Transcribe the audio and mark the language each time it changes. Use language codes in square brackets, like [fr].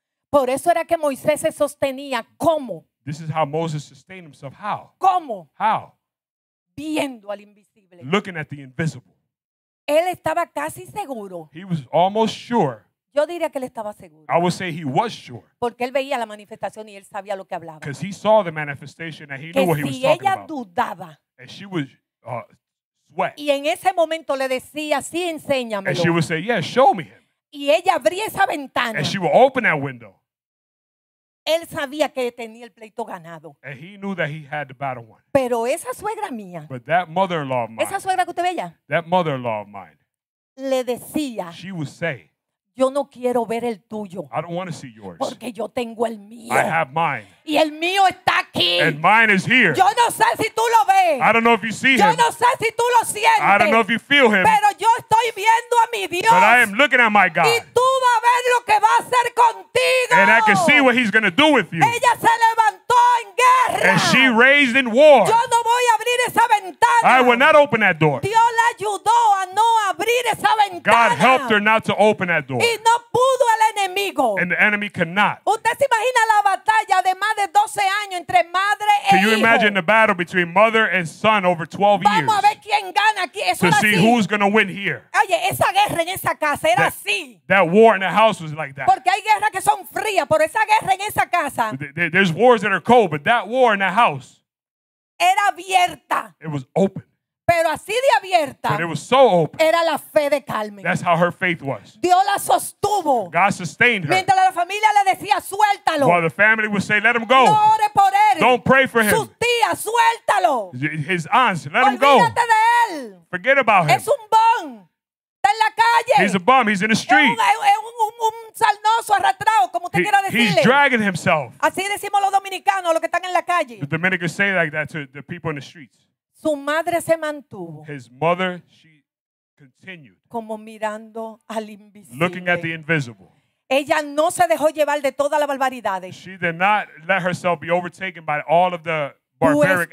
[es] Por eso era que Moisés se sostenía. ¿Cómo? [en] This is how Moses sustained himself. How? [es] ¿Cómo? [en] How? [es] Viendo al invisible. [en] Looking at the invisible. [es] Él estaba casi seguro. [en] He was almost sure. [es] Yo diría que él estaba seguro. [en] I would say he was sure. [es] Porque él veía la manifestación y él sabía lo que hablaba. [en] Because he saw the manifestation and he knew what he was talking about. [es] Que si ella dudaba. [en] And she would sweat. [es] Y en ese momento le decía, sí, enséñamelo. [en] And she would say, yeah, show me him. [es] Y ella abría esa ventana. [en] And she would open that window. [es] Él sabía que tenía el pleito ganado. [en] And he knew that he had the battle won. [es] Pero esa suegra mía. [en] But that mother-in-law of mine. [es] Esa suegra que usted veía. [en] That mother-in-law of mine. [es] Le decía. [en] She would say. [es] Yo no quiero ver el tuyo. [en] I don't want to see yours. [es] Porque yo tengo el mío. [en] I have mine. [es] Y el mío está aquí. [en] And mine is here. [es] Yo no sé si tú lo ves. [en] I don't know if you see [es] yo [en] him. [es] Yo no sé si tú lo sientes. [en] I don't know if you feel him. [es] Pero yo estoy viendo a mi Dios. [en] But I am looking at my God. [es] Y tú vas a ver lo que va a hacer contigo. [en] And I can see what he's going to do with you. [es] Ella se levantó en guerra. [en] And she raised in war. [es] Yo no voy a abrir esa ventana. [en] I will not open that door. [es] Dios la ayudó a no abrir esa ventana. [en] God helped her not to open that door. [es] Y no pudo el enemigo. [en] And the enemy cannot. [es] ¿Usted se imagina la batalla de más de 12 años entre madre e hijo? [en] Can you imagine the battle between mother and son over 12 years? [es] Vamos a ver quién gana aquí. Eso [en] to see [es] así. [en] Who's going to win here. [es] Oye, esa guerra en esa casa era así. [en] That war in the house was like that. [es] Porque hay guerras que son frías, pero esa guerra en esa casa. [en] There's wars that are cold, but that war in the house. [es] Era abierta. [en] It was open. [es] Pero así de abierta. [en] But it was so open. [es] Era la fe de Carmen. [en] That's how her faith was. [es] Dios la sostuvo. [en] God sustained her. [es] Mientras la familia le decía, suéltalo. [en] While the family would say, let him go. [es] No ore por él. [en] Don't pray for him. [es] Sus tías, suéltalo. [en] His aunts, let him go. [es] Olvídate de él. [en] Forget about him. [es] Es un bum. Está en la calle. [en] He's a bum. He's in the street. [es] Es un salnoso arrastrado, como usted quiera decirle. [en] He's dragging himself. [es] Así decimos los dominicanos, los que están en la calle. [en] The Dominicans say like that to the people in the streets. [es] Su madre se mantuvo. [en] His mother, she continued. [es] Como mirando al invisible. [en] Looking at the invisible. [es] Ella no se dejó llevar de todas las barbaridades. [en] She did not let herself be overtaken by all of the barbaric